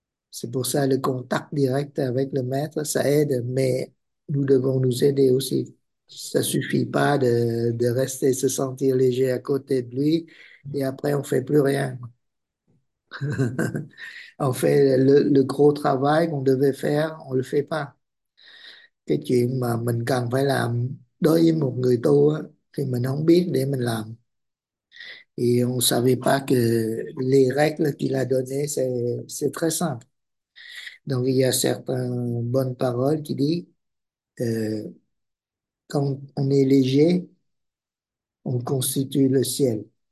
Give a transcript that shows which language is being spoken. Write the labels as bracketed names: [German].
[French] C'est pour ça le contact direct avec le maître, ça aide, mais nous devons nous aider aussi. Ça suffit pas de rester se sentir léger à côté de lui et après on fait plus rien. On fait le gros travail qu'on devait faire, on le fait pas. [Vietnamese] Cái chuyện mà mình cần phải làm đối với một người tu á, thì mình không biết để mình làm. [French] Et on savait pas que les règles qu'il a données, c'est très simple. Donc il y a certaines bonnes paroles qui disent quand on est léger, on constitue le ciel.